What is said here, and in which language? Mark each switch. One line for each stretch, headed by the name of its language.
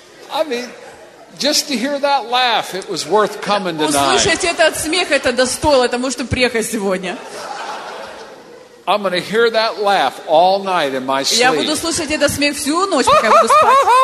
English: I mean, just to hear that laugh, it was worth coming tonight.
Russian: Услышать этот смех, это достоило тому, чтобы приехать сегодня.
English: I'm going to hear that laugh all night in my sleep.
Russian: Я буду слушать этот смех всю ночь, пока буду спать.